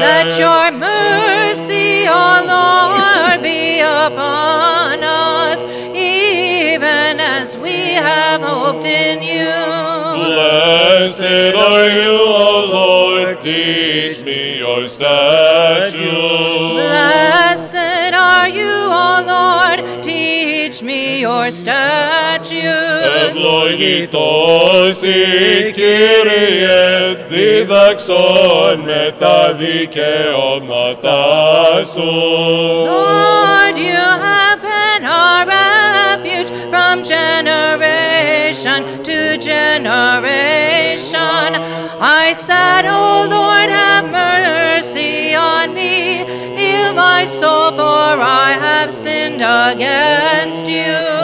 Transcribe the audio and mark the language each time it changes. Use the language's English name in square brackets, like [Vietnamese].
[English] Let your mercy, O Lord, be upon us, even as we have hoped in you. Blessed are you, O Lord, teach me your statutes. Blessed are you, O Lord, teach me your statutes. [Greek] Ευλογητός η Κύριε, διδαξών με τα δικαιώματά σου. [English] Lord, you have been our refuge from generation to generation. I said, O Lord, have mercy on me, heal my soul, for I have sinned against you.